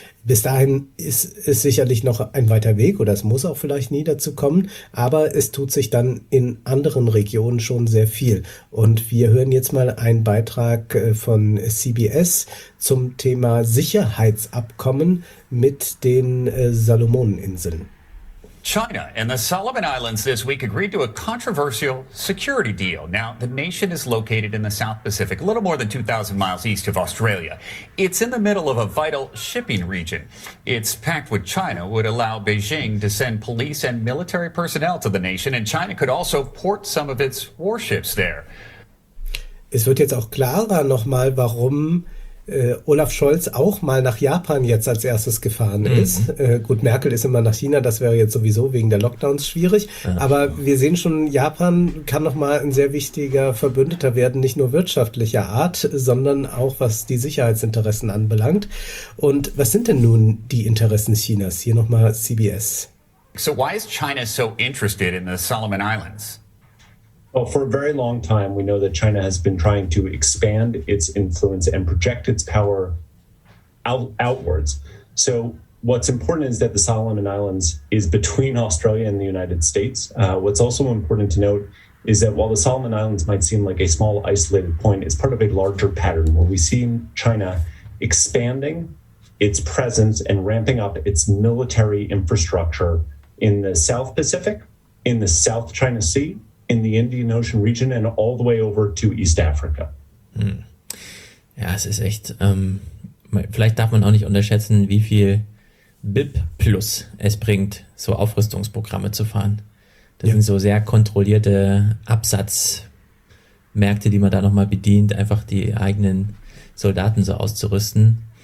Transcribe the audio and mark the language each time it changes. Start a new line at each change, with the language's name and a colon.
German: Bis dahin ist es sicherlich noch ein weiter Weg oder es muss auch vielleicht nie dazu kommen, aber es tut sich dann in anderen Regionen schon sehr viel. Und wir hören jetzt mal einen Beitrag von CBS zum Thema Sicherheitsabkommen mit den Salomoninseln.
English: China and the Solomon Islands this week agreed to a controversial security deal. Now, the nation is located in the South Pacific, a little more than 2,000 miles east of Australia. It's in the middle of a vital shipping region. Its pact with China would allow Beijing to send police and military personnel to the nation, and China could also port some of its warships there.
German: Es wird jetzt auch klarer nochmal, warum Olaf Scholz auch mal nach Japan jetzt als erstes gefahren ist. Gut, Merkel ist immer nach China, das wäre jetzt sowieso wegen der Lockdowns schwierig. Aber wir sehen schon, Japan kann nochmal ein sehr wichtiger Verbündeter werden, nicht nur wirtschaftlicher Art, sondern auch was die Sicherheitsinteressen anbelangt. Und was sind denn nun die Interessen Chinas? Hier nochmal CBS.
English: So why is China so interested in the Solomon Islands? Well, for a very long time, we know that China has been trying to expand its influence and project its power outwards. So what's important is that the Solomon Islands is between Australia and the United States. What's also important to note is that while the Solomon Islands might seem like a small isolated point, it's part of a larger pattern where we see China expanding its presence and ramping up its military infrastructure in the South Pacific, in the South China Sea, in the Indian Ocean region and all the way over to East Africa.
German: Ja, es ist echt, vielleicht darf man auch nicht unterschätzen, wie viel BIP Plus es bringt, so Aufrüstungsprogramme zu fahren. Das sind so sehr kontrollierte Absatzmärkte, die man da nochmal bedient, einfach die eigenen Soldaten so auszurüsten.